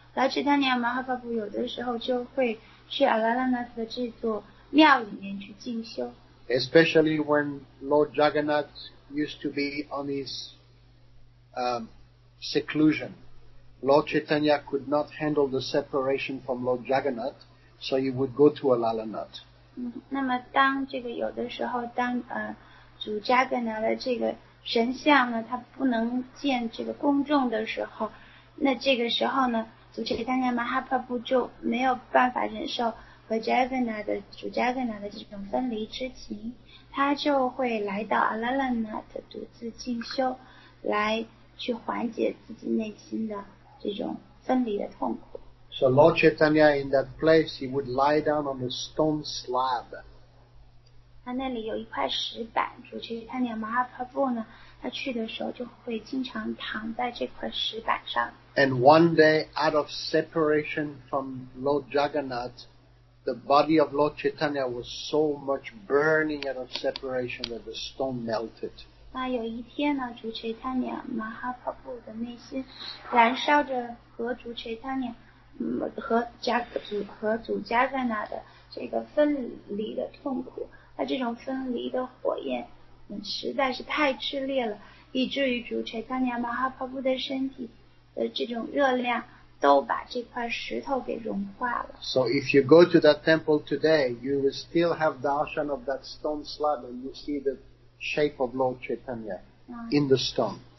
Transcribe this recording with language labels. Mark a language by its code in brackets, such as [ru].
[zh] Lord Chaitanya Mahaprabhu 有的时候就会去 Alalanath 的这座庙里面去进修。 [en] Especially when Lord Jagannath used to be on his seclusion, Lord Chaitanya could not handle the separation from Lord Jagannath, so he would go to Alalanath. [zh] 那么当这个有的时候当主加格纳的这个神像呢，他不能见这个公众的时候，那这个时候呢，主持人马哈帕布就没有办法忍受和加格纳的主加格纳的这种分离之情，他就会来到阿拉拉纳的独自进修，来去缓解自己内心的这种分离的痛苦。 [en] So Lord Chaitanya in that place, he would lie down on the stone slab. [zh] 他那里有一块石板，主持人坦尼亚马哈帕布呢，他去的时候就会经常躺在这块石板上。 [en] And one day, out of separation from Lord Jagannath,The body of Lord Chaitanya was so much burning out of separation that the stone melted. [zh] 那有一天呢，主持坦尼亚马哈帕布的内心燃烧着和主持坦尼亚和主加赞纳的这个分离的痛苦。那这种分离的火焰实在是太炽烈了，以至于主持坦尼亚马哈帕布的身体的这种热量。都把这块石头给融化了。 [en] So if you go to that temple today, you will still have darshan of that stone slab and you see the shape of Lord Chaitanya in the stone.